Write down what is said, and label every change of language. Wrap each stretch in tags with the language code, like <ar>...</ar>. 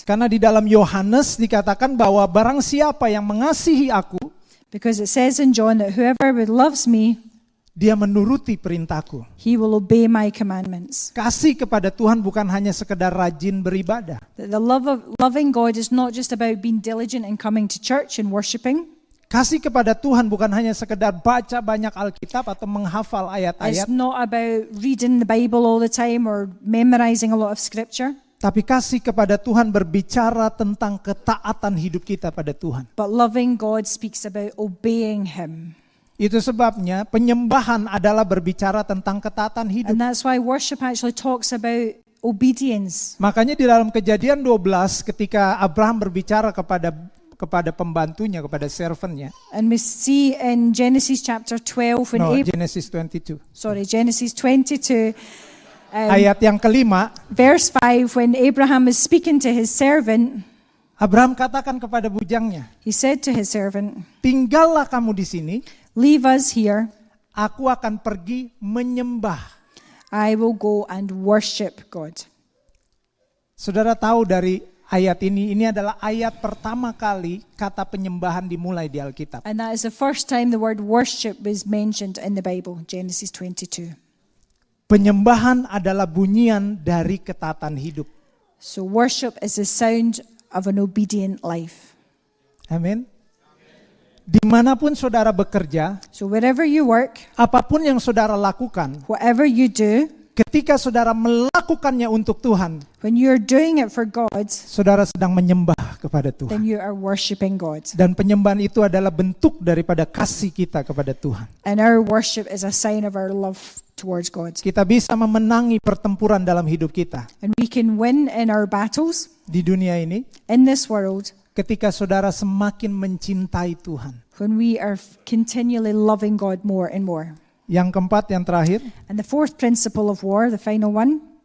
<id>Karena di dalam Yohanes dikatakan bahwa barang siapa yang mengasihi aku,</id> <en>because it says in John that whoever loves me,</en> <id>dia menuruti perintahku.</id> <en>He will obey my commandments.</en> <id>Kasih kepada Tuhan bukan hanya sekedar rajin beribadah.</id> <en>The love of loving God is not just about being diligent and coming to church and worshiping.</en> <id>Kasih kepada Tuhan bukan hanya sekedar baca banyak Alkitab atau menghafal ayat-ayat.</id> <en>It's not about reading the Bible all the time or memorizing a lot of scripture.</en> <id>Tapi kasih kepada Tuhan berbicara tentang ketaatan hidup kita pada Tuhan.</id> <en>But loving God speaks about obeying Him.</en> <id>Itu sebabnya penyembahan adalah berbicara tentang ketaatan hidup.</id> <en>And that's why worship actually talks about obedience.</en> <id>Makanya di dalam Kejadian 12 ketika Abraham berbicara kepada pembantunya, kepada servant-nya.</id> <en>And we see in Genesis chapter 12 when Genesis 22. Sorry, Genesis 22.</en> <id>Ayat yang kelima.</id> <en>Verse 5, when Abraham is speaking to his servant.</en> <id>Abraham katakan kepada bujangnya.</id> <en>He said to his servant.</en> <id>Tinggallah kamu di sini.</id> <en>Leave us here.</en> <id>Aku akan pergi menyembah.</id> <en>I will go and worship God.</en> <id>Saudara tahu dari Ayat ini adalah ayat pertama kali kata penyembahan dimulai di Alkitab.</id> <en>And that is the first time the word worship is mentioned in the Bible, Genesis 22.</en> <id>Penyembahan adalah bunyian dari ketaatan hidup.</id> <en>So worship is the sound of an obedient life.</en> <id>Amin. Dimanapun saudara bekerja,</id> <en>so wherever you work,</en> <id>apapun yang saudara lakukan,</id> <en>whatever you do,</en> <id>ketika saudara melakukannya untuk Tuhan,</id> <en>when you are doing it for God,</en> <id>saudara sedang menyembah kepada Tuhan.</id> <en>Then you are worshiping God.</en> <id>Dan penyembahan itu adalah bentuk daripada kasih kita kepada Tuhan.</id> <en>And our worship is a sign of our love towards God.</en> <id>Kita bisa memenangi pertempuran dalam hidup kita.</id> <en>And we can win in our battles.</en> <id>Di dunia ini.</id> <en>In this world.</en> <id>Ketika saudara semakin mencintai Tuhan.</id> <en>When we are continually loving God more and more.</en> <id>Yang keempat, yang terakhir.</id> <en>And the fourth principle of war, the final one.</en>